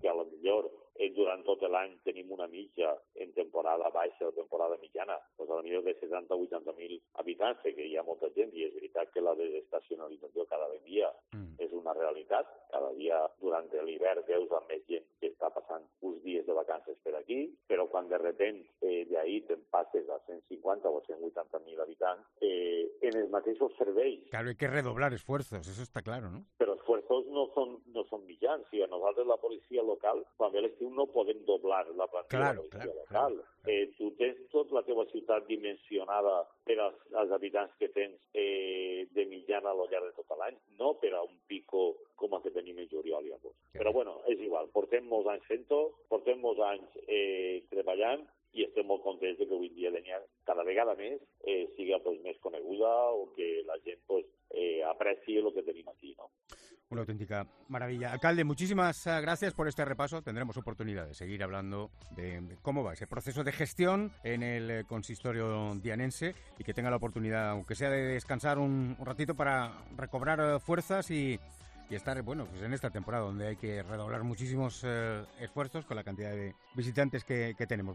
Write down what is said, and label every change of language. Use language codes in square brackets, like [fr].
[ca] que a lo millor durant tot l'any tenim una mitja en temporada baixa o temporada mitjana, doncs a lo millor de 70.000 o 80.000 habitants, que hi ha molta gent, i és veritat que la desestacionalització cada dia és una realitat. Cada dia durant l'hivern veus amb més gent que està passant uns dies de vacances per aquí, però quan de repent d'ahir te'n passes a 150 o 180.000 habitants, en els mateixos serveis. [es] Claro, hay que redoblar esfuerzos, eso está claro, ¿no? [ca] Però [es] esfuerzos no son [ca] mitjans. Si a nosaltres la policia local, quan ve l'estiu, no podem doblar la plantilla, [es] claro, [ca] de la policia, [es] claro, [ca] local. [es] Claro. [ca] Tu tens tota la teva ciutat dimensionada per als habitants que tens de mitjana al llarg de tot l'any, no per a un pico com el que tenim en juliol i agost. Claro. Però bueno, és igual, portem molts anys fent-ho, portem molts anys treballant, i estem molt contents que avui dia Dénia cada vegada més sigui pues, més coneguda, o que la gent pues, apreci el que tenim aquí, no? Una autèntica maravilla. [es] Alcalde, muchísimas gracias por este repaso. Tendremos oportunidad de seguir hablando de cómo va ese proceso de gestión en el consistorio dianense, y que tenga la oportunidad, aunque sea de descansar un ratito para recobrar fuerzas y estar, bueno, pues en esta temporada donde hay que redoblar muchísimos esfuerzos con la cantidad de visitantes que tenemos.